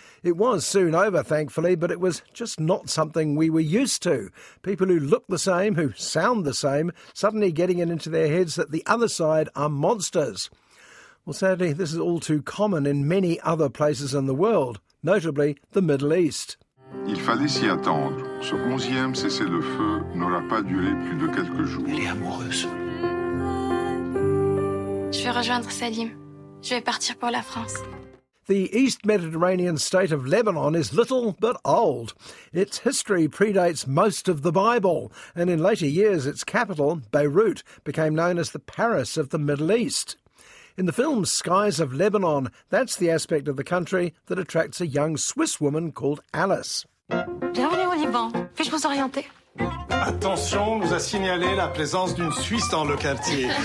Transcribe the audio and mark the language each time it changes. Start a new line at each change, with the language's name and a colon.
English: It was soon over, thankfully, but it was just not something we were used to. People who look the same, who sound the same, suddenly getting it into their heads that the other side are monsters. Well, sadly, this is all too common in many other places in the world, notably the Middle East.
French: Il fallait s'y attendre. Ce 11e cessez-le-feu n'aura pas duré plus de quelques jours. Elle est amoureuse. Je vais rejoindre Salim. Je vais partir pour la France.
English: The East Mediterranean state of Lebanon is little but old. Its history predates most of the Bible, and in later years its capital, Beirut, became known as the Paris of the Middle East. In the film Skies of Lebanon, that's the aspect of the country that attracts a young Swiss woman called Alice.
French: Bienvenue au Liban. Puis-je vous orienter? Attention, nous a signalé la présence d'une Suisse dans le quartier.